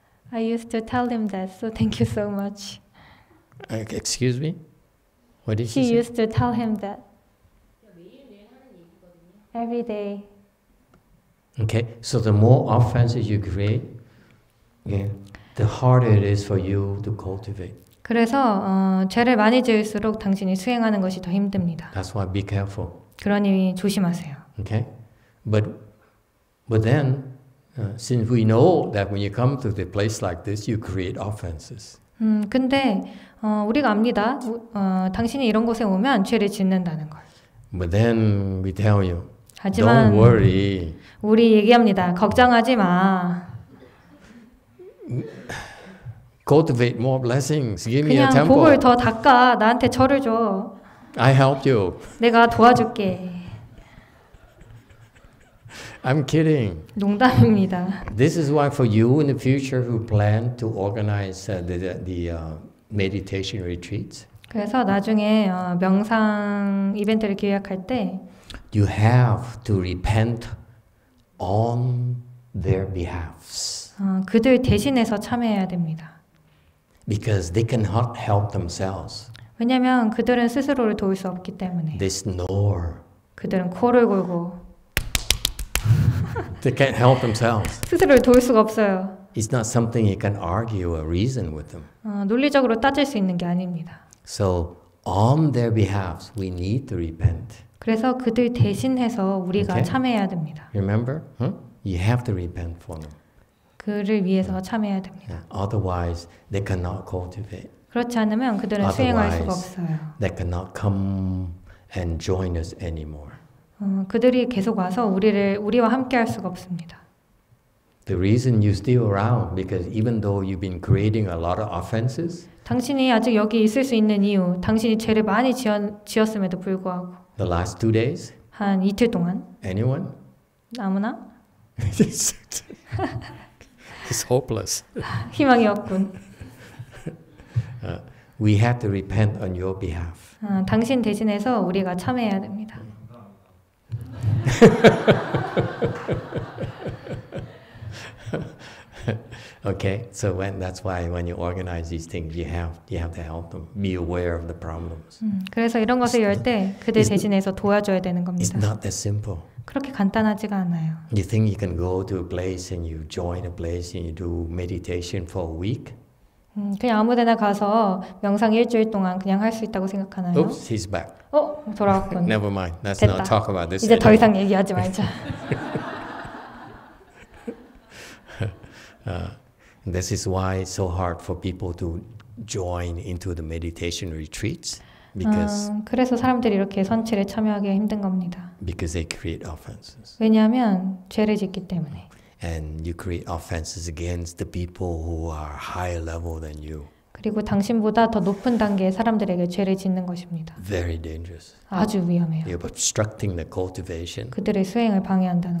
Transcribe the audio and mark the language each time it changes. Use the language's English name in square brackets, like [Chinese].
[English] I used to tell him that, so thank you so much. Excuse me? What did she say? She used to tell him that. Every day. Okay, so the more offenses you create, yeah, the harder it is for you to cultivate. [Korean] 그래서 죄를 많이 지을수록 당신이 수행하는 것이 더 힘듭니다. [English] That's why be careful. [Korean] 그러니 조심하세요. [English] Okay, but then since we know that when you come to the place like this, you create offenses. [Korean] 근데 우리가 압니다. 당신이 이런 곳에 오면 죄를 짓는다는 걸. [English] But then we tell you. [Korean] 하지만 [English] don't worry. [Korean] 우리 얘기합니다. 걱정하지 마. [English] Cultivate more blessings. Give me a temple. [Korean] 그냥 복을 더 닦아. 나한테 절을 줘. [English] I help you. [Korean] 내가 도와줄게. [English] I'm kidding. [Korean] 농담입니다. [English] This is why for you in the future who plan to organize meditation retreats. [Korean] 그래서 나중에 명상 이벤트를 기획할 때, [English] you have to repent on their behalfs. [Korean] 그들 대신해서 참여해야 됩니다. [English] Because they cannot help themselves. [Korean] 왜냐하면 그들은 스스로를 도울 수 없기 때문에. [English] They snore. [Korean] 그들은 코를 골고. [English] They can't help themselves. [Korean] 스스로를 도울 수가 없어요. [English] It's not something you can argue or reason with them. [Korean] 논리적으로 따질 수 있는 게 아닙니다. [English] So on their behalf, we need to repent. [Korean] 그래서 그들 대신해서 우리가 [English] okay. [Korean] 참여해야 됩니다. [English] Remember, you have to repent for them. [Korean] 그를 위해서 참여해야 됩니다. [English] Otherwise, they cannot cultivate. [Korean] 그렇지 않으면 그들은 [English] Otherwise, [Korean] 수행할 수가 없어요. [English] They cannot come and join us anymore. [Korean] 그들이 계속 와서 우리와 함께 할 수가 없습니다. [English] The reason you still around because even though you've been creating a lot of offenses. [Korean] 당신이 아직 여기 있을 수 있는 이유, 당신이 죄를 많이 지었음에도 불구하고. [English] The last 2 days. [Korean] 한 이틀 동안. [English] Anyone? [Korean] 아무나? [English] It's hopeless. [Korean] 희망이 없군. [English] We have to repent on your behalf. [Korean] 당신 대신해서 우리가 참회해야 됩니다. [English] Okay, so that's why when you organize these things, you have to help them be aware of the problems. [Korean] 그래서 이런 것을 열 때 그들 대신해서 도와줘야 되는 겁니다. [English] It's not that simple. [Korean] 그렇게 간단하지가 않아요. [English] You think you can go to a place and you join a place and you do meditation for a week? [Korean] 그냥 아무데나 가서 명상 일주일 동안 그냥 할 수 있다고 생각하나요? [English] Oops, he's back. [Korean] 어, 돌아왔군. [English] Never mind. Let's not talk about this. [Korean] 이제 [English] anymore. [Korean] 더 이상 얘기하지 말자. [English] This is why it's so hard for people to join into the meditation retreats because [Korean] 그래서 사람들이 이렇게 선체를 참여하기 힘든 겁니다. [English] Because they create offenses. [Korean] 왜냐하면 죄를 짓기 때문에. [English] And you create offenses against the people who are higher level than you. [Korean] 그리고 당신보다 더 높은 단계의 사람들에게 죄를 짓는 것입니다. [English] Very dangerous. [Korean] 아주 위험해요. [English] You're obstructing the cultivation. [Korean] 그들의 수행을 방해한다는